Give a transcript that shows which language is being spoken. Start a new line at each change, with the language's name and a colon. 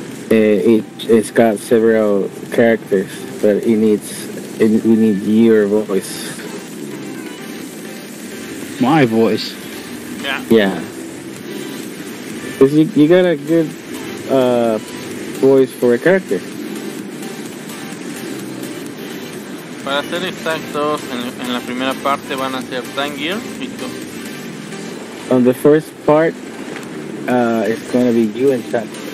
English: It's got several characters, but we need your voice. My voice? Yeah. Because you got a good voice for a character.
Spanish: Para ser exactos, en la primera parte van a ser Tangier y tú.
English: On the first part, it's going to be you and Tank.